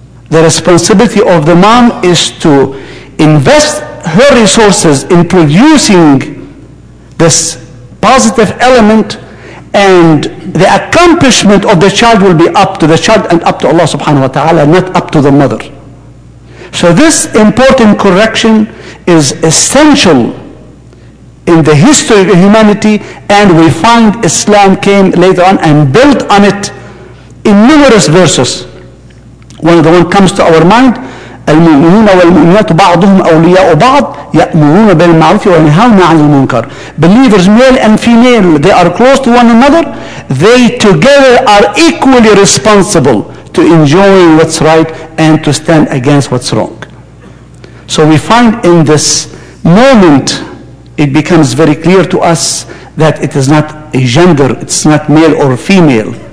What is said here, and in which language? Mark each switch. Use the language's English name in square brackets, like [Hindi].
[English] The responsibility of the mom is to invest her resources in producing this positive element, and the accomplishment of the child will be up to the child and up to Allah subhanahu wa ta'ala, not up to the mother. So this important correction is essential in the history of humanity, and we find Islam came later on and built on it in numerous verses. One of the ones comes to our mind, [Arabic] المؤمنون والمؤمنات بعضهم أولياء بعض يأمرون بالمعروف وينهون عن المنكر. [English] Believers, male and female, they are close to one another. They together are equally responsible to enjoying what's right and to stand against what's wrong. So we find in this moment, it becomes very clear to us that it is not a gender, it's not male or female.